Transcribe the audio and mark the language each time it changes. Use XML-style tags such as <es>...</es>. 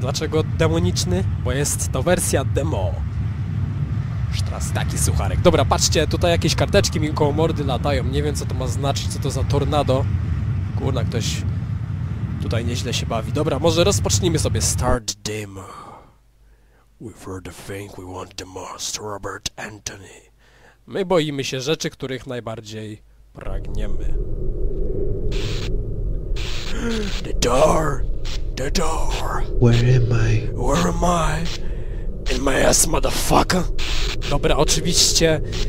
<pl>Dlaczego demoniczny? Bo jest to wersja demo. Już teraz taki sucharek. Dobra, patrzcie, tutaj jakieś karteczki mi koło mordy latają. Nie wiem, co to ma znaczyć, co to za tornado. Kurna, ktoś tutaj nieźle się bawi. Dobra, może rozpocznijmy sobie.</pl> <en>Start demo. We've heard the thing we want the most, Robert Anthony.</en> <pl>My boimy się rzeczy, których najbardziej pragniemy.</pl> <en>The door! The door! Where am I? Where am I? In my ass, motherfucker!</en> <pl>Dobra, oczywiście...</pl>